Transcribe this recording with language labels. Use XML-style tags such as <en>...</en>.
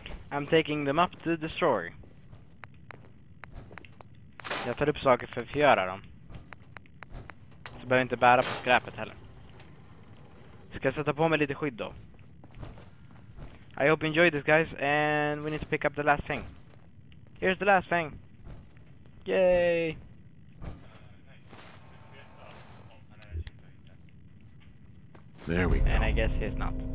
<en>I'm taking them up to destroy.</en> <sv>Jag tar upp saker för att förgöra dem. Så behöver jag inte bära på skräpet heller. Ska jag sätta på mig lite skydd då?</sv> <en>I hope you enjoyed this, guys, and we need to pick up the last thing. Here's the last thing. Yay! There we go. And I guess he's not.</en>